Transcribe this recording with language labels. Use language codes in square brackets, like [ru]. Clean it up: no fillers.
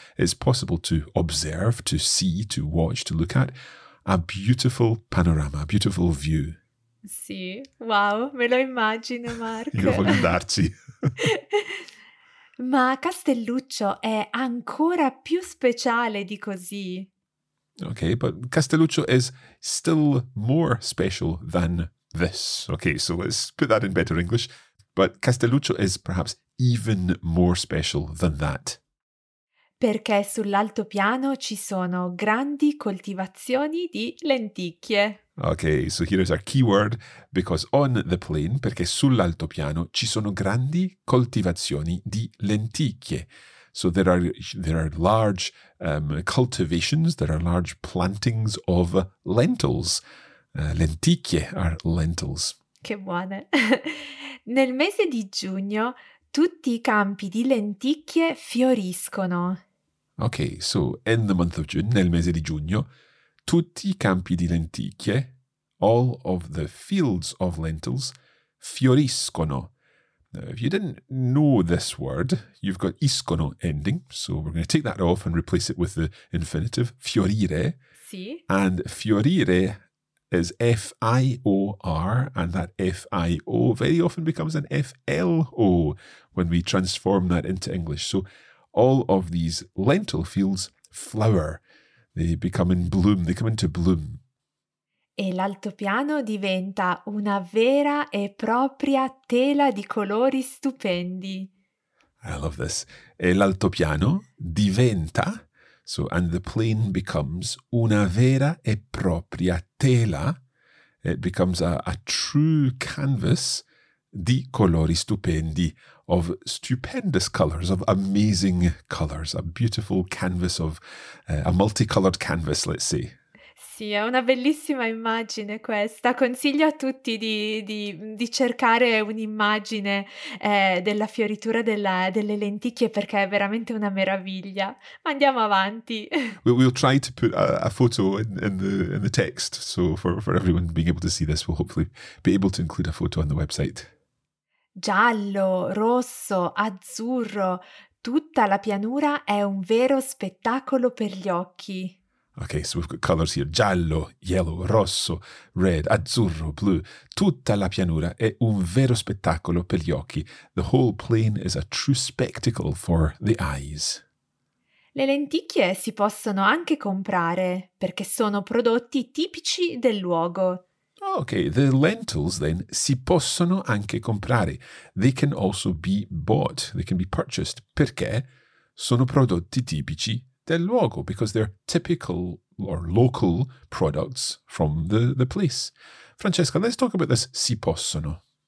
[en] It's possible to observe, to see, to watch, to look at a beautiful panorama, a beautiful view. [it] Sì, wow, me lo immagino, Mark. Io voglio andarci. Ma Castelluccio è ancora più speciale di così. [en] Okay, but Castelluccio is still more special than this. Okay, so let's put that in better English. But Castelluccio is perhaps even more special than that. [it] Perché sull'altopiano ci sono grandi coltivazioni di lenticchie. [en] Okay, so here is our keyword, because on the plain, [it] perché sull'altopiano ci sono grandi coltivazioni di lenticchie. [en] So there are large cultivations, there are large plantings of lentils. Lenticchie are lentils. [it] Che buone! Nel mese di giugno tutti i campi di lenticchie fioriscono. [en] Okay, so in the month of June, [it] nel mese di giugno, tutti i campi di lenticchie, [en] all of the fields of lentils, [it] fioriscono. [en] Now, if you didn't know this word, you've got iscono ending, so we're going to take that off and replace it with the infinitive, fiorire. [it] Sì. [en] And fiorire is F-I-O-R, and that F-I-O very often becomes an F-L-O when we transform that into English. So all of these lentil fields flower. They become in bloom, they come into bloom. [it] E l'altopiano diventa una vera e propria tela di colori stupendi. [en] I love this. [it] E l'altopiano diventa, [en] so, and the plain becomes [it] una vera e propria tela. [en] It becomes a true canvas [it] di colori stupendi, [en] of stupendous colors, of amazing colors, a beautiful canvas of a multicolored canvas, let's say. [it] Sì, è una bellissima immagine questa. Consiglio a tutti di cercare un'immagine della fioritura delle lenticchie, perché è veramente una meraviglia. Ma andiamo avanti. [en] We'll try to put a photo in the text, so for everyone being able to see this, we'll hopefully be able to include a photo on the website. [it] Giallo, rosso, azzurro, tutta la pianura è un vero spettacolo per gli occhi. [en] Okay, so we've got colors here. Giallo, yellow, rosso, red, azzurro, blue. [it] Tutta la pianura è un vero spettacolo per gli occhi. [en] The whole plain is a true spectacle for the eyes. [it] Le lenticchie si possono anche comprare, perché sono prodotti tipici del luogo. [en] Okay, the lentils then [it] si possono anche comprare. [en] They can also be bought, they can be purchased. [it] Perché sono prodotti tipici del luogo, [en] because they're typical or local products from the place. Francesca, let's talk about this si possono.